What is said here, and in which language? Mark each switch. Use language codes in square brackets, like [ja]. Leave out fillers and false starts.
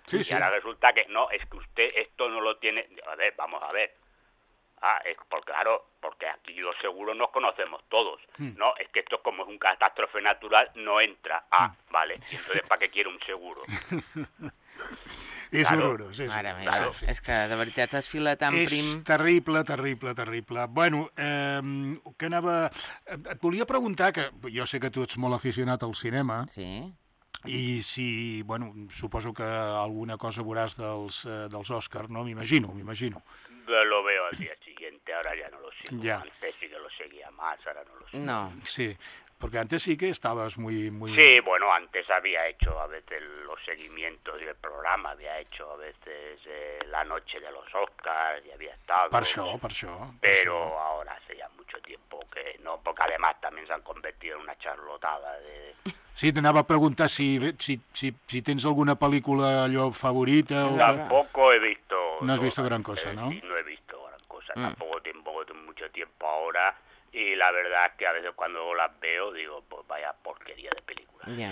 [es] Sí. Y ahora resulta que no, es que usted esto no lo tiene. A ver, vamos a ver. Ah, es por claro, porque aquí los seguros nos conocemos todos, ¿no? Es que esto, como es un catástrofe natural, no entra. Ah, vale, entonces, ¿para qué quiero un seguro? [ca] És horrorós. Mare meva, és que de veritat es fila tan prim. És terrible. Bueno, que anava... Et volia preguntar, que jo sé que tu ets molt aficionat al cinema. Sí. I si, bueno, suposo que alguna cosa veuràs dels Òscar, no? M'imagino. [es] Lo veo al día siguiente, ahora ya no lo sigo. Ya. Antes sí que lo seguía más, ahora no lo sigo. No. Sí. Porque antes sí que estabas muy, muy... Sí, bueno, antes había hecho a veces los seguimientos del programa, había hecho a veces la noche de los Oscars y había estado... [ca] Per això. [es] Ahora hace ya mucho tiempo que no, porque además también se han convertido en una charlotada de... [ca] Sí, t'anava a preguntar si tens alguna pel·lícula allò favorita o... [es] Tampoco he visto... No has visto gran cosa, ¿no? No he visto gran cosa, tampoco tengo mucho tiempo ahora... Y la verdad es que a veces cuando las veo digo, pues vaya porquería de película.